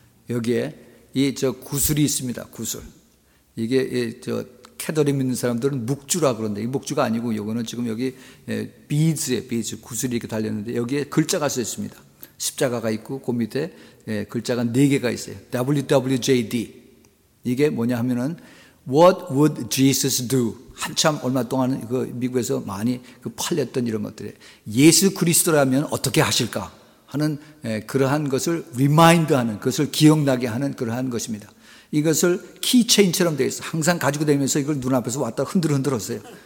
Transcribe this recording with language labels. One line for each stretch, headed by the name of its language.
Korean: 여기에 이 저 구슬이 있습니다. 구슬. 이게 저 캐더링 믿는 사람들은 묵주라 그러는데 이 묵주가 아니고 이거는 지금 여기 비즈에 비즈 구슬이 이렇게 달렸는데 여기에 글자가 써 있습니다. 십자가가 있고 그 밑에 글자가 네 개가 있어요.
English: WWJD.
Korean: 이게 뭐냐 하면은
English: What would Jesus do?
Korean: 한참 얼마 동안 그 미국에서 많이 그 팔렸던 이런 것들에 예수 그리스도라면 어떻게 하실까 하는 그러한 것을 리마인드하는 그것을 기억나게 하는 그러한 것입니다. 이것을 키체인처럼 되어 있어 항상 가지고 다니면서 이걸 눈앞에서 왔다 흔들흔들었어요.